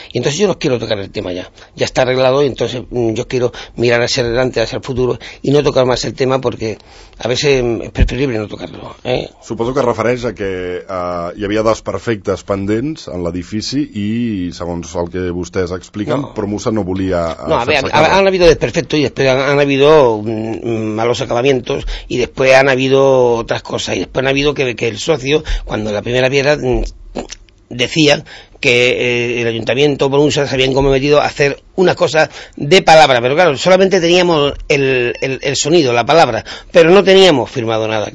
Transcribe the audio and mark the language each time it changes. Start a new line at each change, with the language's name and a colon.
Spanish: Y entonces yo no quiero tocar el tema ya. Ya está arreglado y entonces yo quiero mirar hacia adelante, hacia el futuro y no tocar más el tema porque a veces es preferible no tocarlo.
Catalan: Suposo que refereix a que hi havia desperfectes pendents en l'edifici i, segons el que vostès expliquen, no. Promusa no volia...
Spanish: No, han habido desperfectos y después han habido malos acabamientos y después han habido otras cosas y después han habido que el socio, cuando la primera piedra... decía que el Ayuntamiento o Promusa se habían comprometido a hacer una cosa de palabra, pero claro, solamente teníamos el sonido, la palabra, pero no teníamos firmado nada.